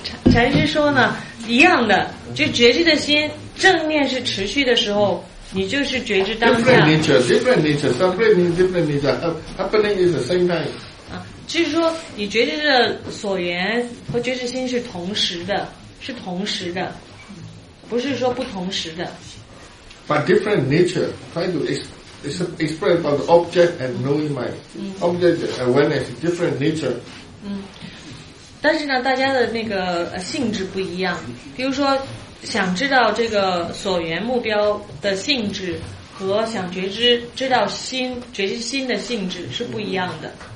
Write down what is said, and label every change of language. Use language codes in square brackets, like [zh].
[zh] 禅师说呢，一样的，就觉知的心正念是持续的时候。你就是觉知当下。 [en] Different nature, happening is the same time. [zh] 啊，就是说你觉知的所缘和觉知心是同时的，是同时的，不是说不同时的。 [en] But different nature, try to express about the object and knowing mind. Object awareness, different nature. [zh] 嗯，但是呢，大家的那个性质不一样，比如说。想知道这个所缘目标的性质和想觉知知道心觉知心的性质是不一样的。